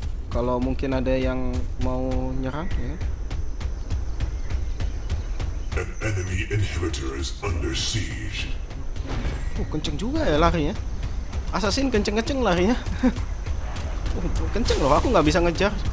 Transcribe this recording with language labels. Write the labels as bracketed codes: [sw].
[id] Kalau mungkin ada yang mau nyerang ya. [en] An enemy inhibitor is under siege. [id] Kenceng juga ya larinya. Assassin kenceng-kenceng larinya. Kenceng loh, aku enggak bisa ngejar.